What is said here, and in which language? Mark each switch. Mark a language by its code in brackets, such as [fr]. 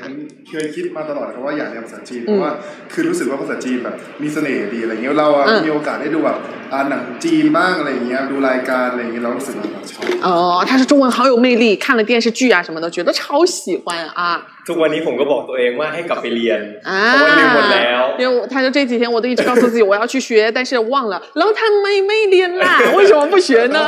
[th] คะเคยคิดมาตลอดว่าอยากเรียนภาษาจีนเพราะว่าคือรู้สึกว่าภาษาจีนแบบมีเสน่ห์ดีอะไรเงี้ยเรามีโอกาสได้ดูแบบหนังจีนบ้างอะไรเงี้ยดูรายการอะไรเงี้ยเรารู้สึกว่าชอบ ถ้าจะ [zh] 中文好有魅力看了电视剧啊什么的觉得超喜欢啊 [th] ทุกวันนี้ผมก็บอกตัวเองว่าให้กลับไปเรียนเพรา ะ ว่าเรียนหมดแล้ว เดี๋ยวถ้าจะ [zh] 这几天我都一直告诉自己我要去学但是忘了 [th] แล้วทำไมไม่เรียนล่ะ [zh] 为什么不学呢